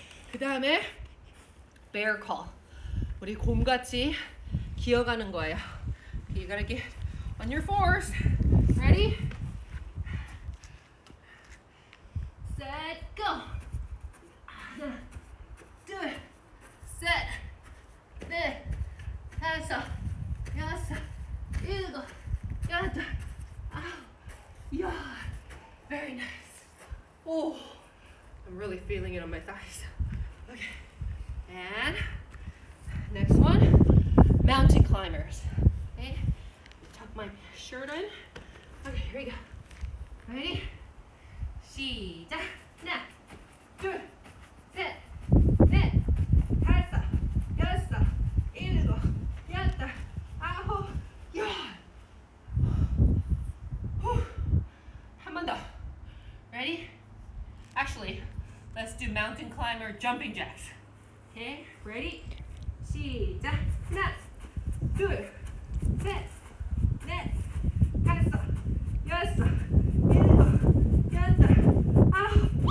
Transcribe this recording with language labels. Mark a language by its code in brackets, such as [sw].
[ko] 그 다음에 bear call. 우리 곰같이 기어가는 거예요. [en] Okay, you gotta get on your fours. Ready? Set, go! [ko] 하나, 둘, 셋, 넷, 다섯, 여섯, 일곱, 여덟, 아홉, 열. [en] Very nice. Oh, I'm really feeling it on my thighs. Okay, and next one, mountain climbers. Okay, tuck my shirt in. Okay, here we go. Ready? 시작. [ko] 하나, 둘, 셋, 넷, 다섯, 여섯, 일곱, 여덟, 아홉, 열. 한 번 더. [en] Ready? Actually, let's do mountain climber jumping jacks. Okay, ready? 시작. [ko] 하나, 둘, 셋, 넷, 다섯, 여섯, 일곱, 여덟, 아홉.